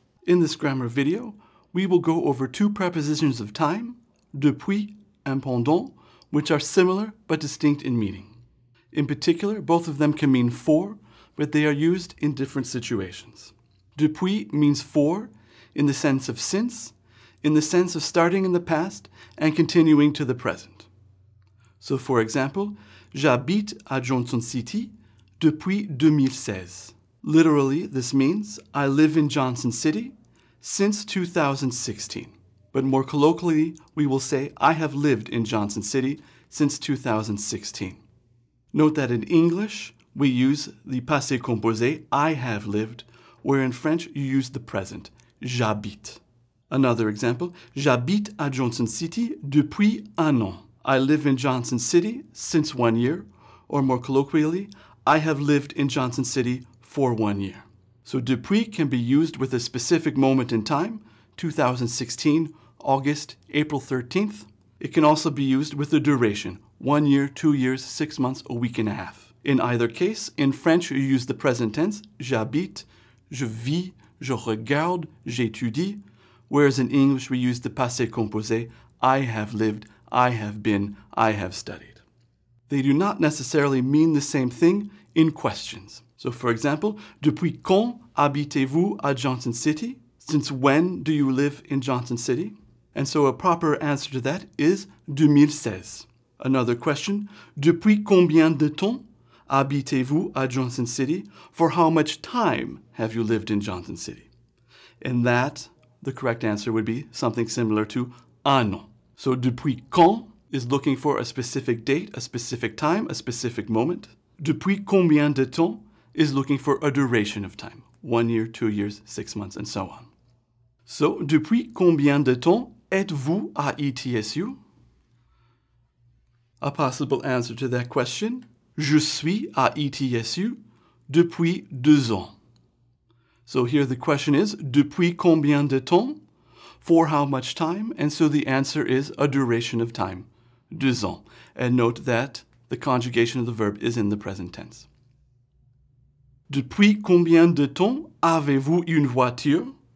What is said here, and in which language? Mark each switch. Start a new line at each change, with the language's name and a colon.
English: In this grammar video, we will go over two prepositions of time, depuis and pendant, which are similar but distinct in meaning. In particular, both of them can mean for, but they are used in different situations. Depuis means for, in the sense of since, in the sense of starting in the past and continuing to the present. So for example,
French: j'habite à Johnson City depuis 2016.
English: Literally, this means, I live in Johnson City since 2016. But more colloquially, we will say, I have lived in Johnson City since 2016. Note that in English, we use the passé composé, I have lived, where in French, you use the present, j'habite. Another example,
French: j'habite à Johnson City depuis un an.
English: I live in Johnson City since 1 year, or more colloquially, I have lived in Johnson City for 1 year. So depuis can be used with a specific moment in time, 2016, August, April 13th. It can also be used with a duration, 1 year, 2 years, 6 months, a week and a half. In either case, in French, you use the present tense,
French: j'habite, je vis, je regarde, j'étudie,
English: whereas in English, we use the passé composé, I have lived, I have been, I have studied. They do not necessarily mean the same thing in questions.
French: So for example, depuis quand habitez-vous à Johnson City?
English: Since when do you live in Johnson City? And so a proper answer to that is 2016. Another question,
French: depuis combien de temps habitez-vous à Johnson City?
English: For how much time have you lived in Johnson City? And that, the correct answer would be something similar to
French: un an.
English: So depuis quand is looking for a specific date, a specific time, a specific moment.
French: Depuis combien de temps
English: is looking for a duration of time, 1 year, 2 years, 6 months, and so on.
French: So, depuis combien de temps êtes-vous à ETSU?
English: A possible answer to that question,
French: je suis à ETSU depuis 2 ans.
English: So here the question is,
French: depuis combien de temps,
English: for how much time? And so the answer is a duration of time, 2 ans. And note that the conjugation of the verb is in the present tense.
French: Depuis combien de temps avez-vous une voiture?